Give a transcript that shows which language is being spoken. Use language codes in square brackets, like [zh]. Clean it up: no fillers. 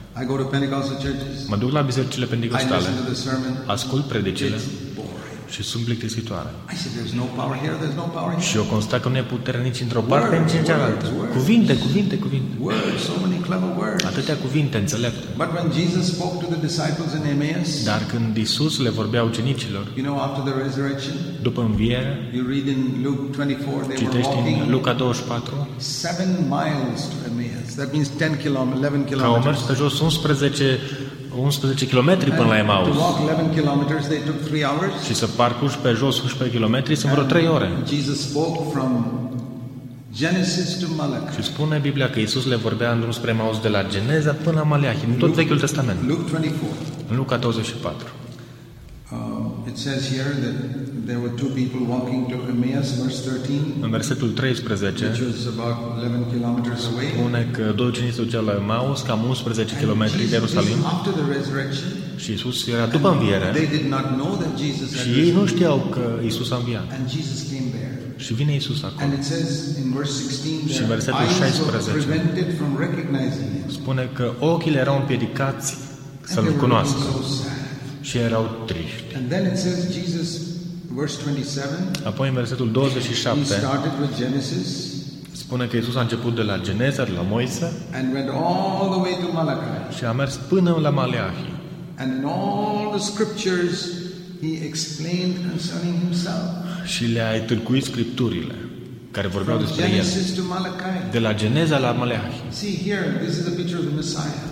[en] I go to Pentecostal churches. [ro] Mă duc la bisericile pentecostale. [en] I listen to the sermon. [ro] Ascult predicile. Și sunt plictisitoare. [en] I said, there's no power here, there's no power here. [ro] Și eu constat că nu e putere nici într-o parte, nici în cealaltă. Cuvinte, cuvinte, cuvinte. [en] Words, so many clever words. [ro] Atâtea cuvinte înțelepte. [en] But when Jesus spoke to the disciples in Emmaus, [ro] dar când Iisus le vorbea ucenicilor, [en] you know, after the resurrection, [ro] după înviere, [en] you read in Luke 24, they [ro] citești [en] were walking [ro] în Luca 24, [en] 7 miles to Emmaus. That means 10 kilometers, 11 kilometers. [ro] Au mers pe jos 11 kilometri până la Emmaus. [en] To walk 11 kilometers, they took 3 hours. [ro] Și să parcurgi pe jos 11 kilometri, sunt vreo 3 ore. [en] Jesus spoke from Genesis to Malachi. [ro] Și spune Biblia că Iisus le vorbea în drum spre Emmaus de la Geneza până la Maleahi, în tot Vechiul Testament. [en] Luke 24. [ro] În Luca 24. [en] It says here that there were two people walking to Emmaus, verse 13. [ro] În versetul 13. [en] Which was about 11 kilometers away. [ro] Spune că doi ucenici se duceau la Emmaus, cam 11 kilometri de Ierusalim. [en] After the resurrection. [ro] Și Iisus era după înviere. [en] They did not know that Jesus had risen. [ro] Și ei nu știau că Iisus a înviat. [en] And Jesus came there. [ro] Și vine Iisus acolo. [en] And it says in verse 16. [ro] Și versetul 16. [en] Eyes were prevented from recognizing him. [ro] Spune că ochii erau împiedicați să-l cunoască. Și erau triști. [en] And then it says Jesus, verse 27. [ro] Apoi în versetul 27. [en] He started with Genesis. [ro] Spune că Iisus a început de la Geneza, de la Moise. [en] And went all the way to Malachi. [ro] Și a mers până la Maleahi. [en] And in all the scriptures he explained concerning himself. [ro] Și le-a tâlcuit scripturile. care vorbeau despre el. De la Geneza la Maleahi. [en] See here, this is a picture of the Messiah.